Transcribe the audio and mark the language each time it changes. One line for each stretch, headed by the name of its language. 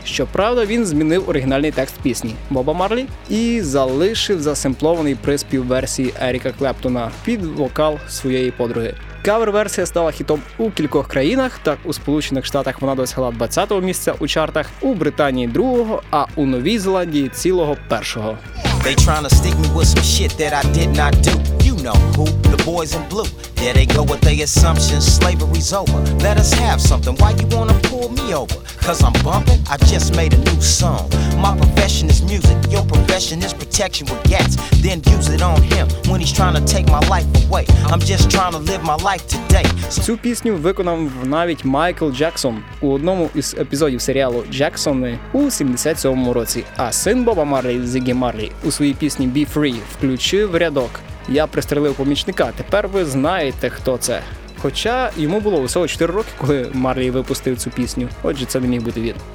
Ukrainian: Щоправда, він змінив оригінальний текст пісні Боба Марлі і залишив засимплований приспів версії Еріка Клептона під вокал своєї подруги. Кавер-версія стала хітом у кількох країнах, так у Сполучених Штатах вона досягла 20-го місця у чартах, у Британії – 2-го, а у Новій Зеландії – цілого 1-го.
English: They trying to stick me with some shit that I did not do. You know who, the boys in blue. There they go with their assumptions, slavery's over. Let us have something, why you wanna pull me over? Cause I'm bumping, I just made a new song. My profession is music, your profession is protection with gats. Then use it on him, when he's trying to take my life away. I'm just trying to live my life today.
Ukrainian: Цю пісню виконав навіть Майкл Джексон у одному із епізодів серіалу «Джексони» у 77-му році. А син Боба Марлі, Зіггі Марлі, у своїй пісні «Be Free» включив рядок «Я пристрелив помічника, тепер ви знаєте, хто це». Хоча йому було усього 4 роки, коли Марлі випустив цю пісню, отже це не міг бути він.